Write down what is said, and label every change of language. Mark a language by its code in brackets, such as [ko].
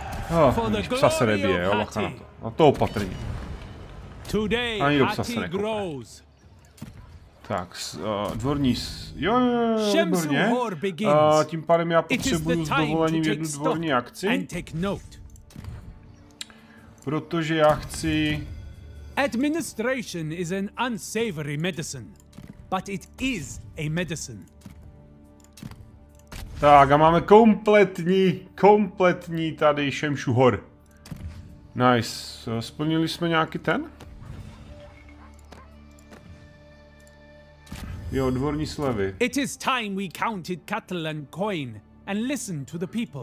[cs] Oh, psa se nebije, jo, lacha na to. No to opatrně. Ani do psa se nekopne. Tak, dvorní, jo, dvorně, tím pádem já potřebuju s dovolením jednu dvorní akci. Protože já chci... [en] Administration is an unsavory medicine, but it is a medicine. [cs] Tak a máme kompletní tady Šemšuhor. Nice, splnili jsme nějaký ten? Jo, dvorní slevy. [en] It is time we counted cattle and coin and listen to the people.